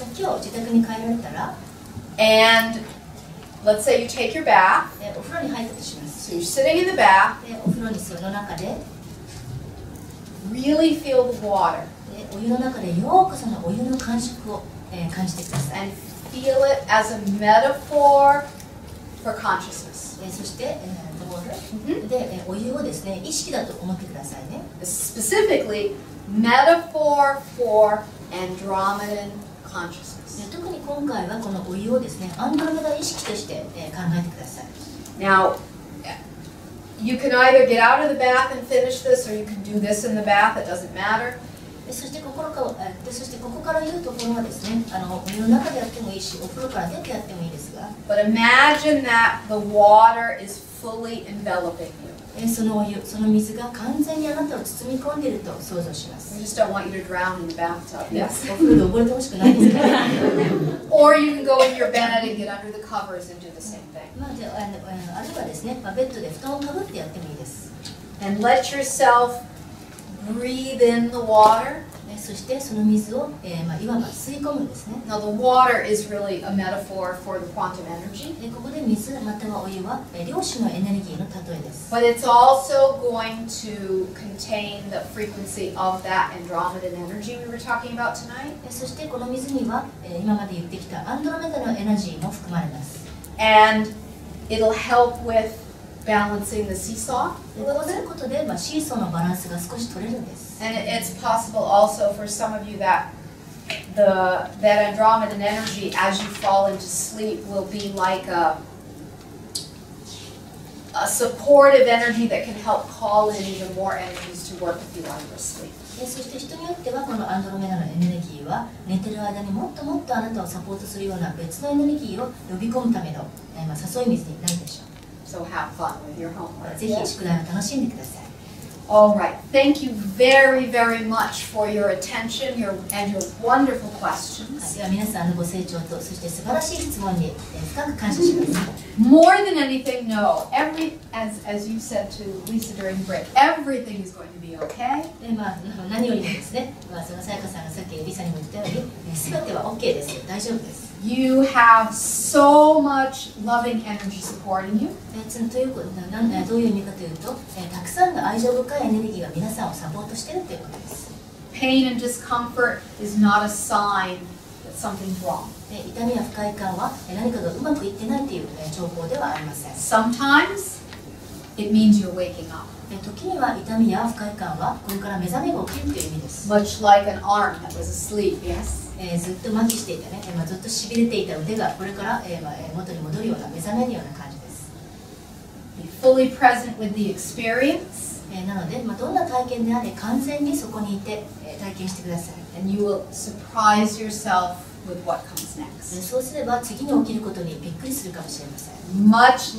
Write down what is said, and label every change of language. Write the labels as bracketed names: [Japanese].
[Japanese] 今日自宅に帰られたら、 [English] and let's say you take your bath, [Japanese] お風呂に入ったとします。 [English] So you're sitting in the bath, [Japanese] お風呂に座る中で、 [English] really feel the water, [Japanese] お湯の中でよくそのお湯の感触を感じてください。 [English] And feel it as a metaphor for consciousness. [Japanese] そして、Mm-hmm. でお湯をですね、意識だと思ってくださいね。 [English] Specifically, metaphor for Andromedan consciousness. [Japanese] 特に今回はこのお湯をですね、アンドロメダ意識として考えてください。 [English] Now, you can either get out of the bath and finish this, or you can do this in the bath, it doesn't matter. [Japanese] そしてここから言うところはですね、お湯の中でやってもいいし、お風呂から出てやってもいいですが。 [English] But imagine that the water is fully enveloping you. [Japanese] その水が完全にあなたを包み込んでいると想像します。 [English] I just don't want you to drown in the bathtub. Yes. [Japanese] お風呂で溺れてほしくないですか? [English] Or you can go in your bed and get under the covers and do the same thing. [Japanese] まあ、で、あるいはですね、ベッドで布団をかぶってやってもいいです。 [English] And let yourself breathe in the water. [Japanese] そしてその水を、まあ、いわば吸い込むんですね。 [English] Now the water is really a metaphor for the quantum energy. [Japanese] ここで水またはお湯は、量子のエネルギーの例えです。 [English] But it's also going to contain the frequency of that Andromedan energy we were talking about tonight. [Japanese] そしてこの水には、今まで言ってきたアンドロメダのエナジーも含まれます。 [English] And it'll help with balancing the seesaw. [Japanese] こうすることで、まあ、シーソーのバランスが少し取れるんです。 [English] And it's possible also for some of you that that Andromedan energy as you fall into sleep will be like a supportive energy that can help call in even more energies to work with you while you're asleep. [Japanese] で、そして人によってはこのアンドロメダのエネルギーは寝てる間にもっともっとあなたをサポートするような別のエネルギーを呼び込むための、まあ、誘い水になるでしょう。 [English] So have fun with your homework. [Japanese] ぜひ宿題を楽しんでください。 [English] All right. Thank you very, very much for your attention and your wonderful questions. [Japanese] では皆さんのご清聴とそして素晴らしい質問に深く感謝します。 [English] More than anything, no. Every, as you said to Lyssa during break, everything is going to be okay. [Japanese] で、まあ、何よりもですね、まあ、そのさやかさんがさっきLyssaにも言ったように、全ては OK ですよ。大丈夫です。 [English] You have so much loving energy supporting you. [Japanese] どういう意味かというと、たくさんの愛情深いエネルギーが皆さんをサポートしているということです。 [English] Pain and discomfort is not a sign that something's wrong. [Japanese] 痛みや不快感は何かがうまくいってないという兆候ではありません。 [English] Sometimes it means you're waking up. [Japanese] 時には痛みや不快感はこれから目覚めが起きるという意味です。 [English] Much like an arm that was asleep, yes. [Japanese] ずっと麻痺していたね、まあ、ずっと痺れていた腕がこれから、まあ、元に戻るような目覚めるような感じです。 [English] Be fully present with the experience. [Japanese] なので、まあ、どんな体験であれ完全にそこにいて、体験してください。 [English] And you will surprise yourself with what comes next. [Japanese] そうすれば次に起きることにびっくりするかもしれません。